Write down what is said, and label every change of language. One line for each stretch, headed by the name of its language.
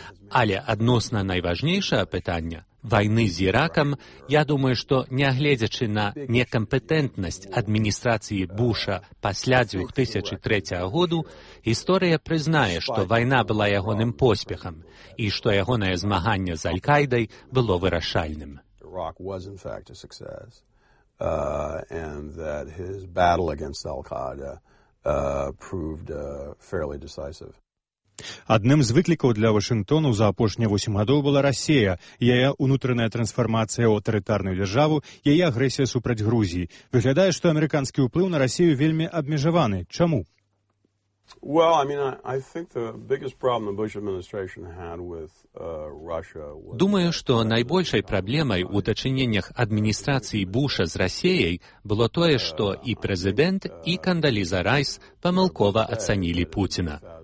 Belarusian: Але адносна найважнейшае пытанне вайны з Іракам, я думаю, што нягледзячы на некампетэнтнасць адміністрацыі Буша пасля 2003 году, гісторыя прызнае, што вайна была ягоным поспехам і што ягонае змаганне з Аль-Кайдай было вырашальным.
English: Iraq was in fact a success, and that his battle against Al-Qaeda proved fairly decisive.
Belarusian: Адным з выклікаў для Вашынгтону за апошнія 8 гадоў была Расія, яе ўнутраная трансфармацыя ў аўтарытарную дзяржаву, яе агрэсія супраць Грузіі. Выглядае, што амерыканскі ўплыў на Расію вельмі абмежаваны. Чаму? Думаю, што найбольшай праблемай у дачыненнях адміністрацыі Буша з Расіяй было тое, што і прэзідэнт, і Кандаліза Райс памылкова ацанілі Пуціна.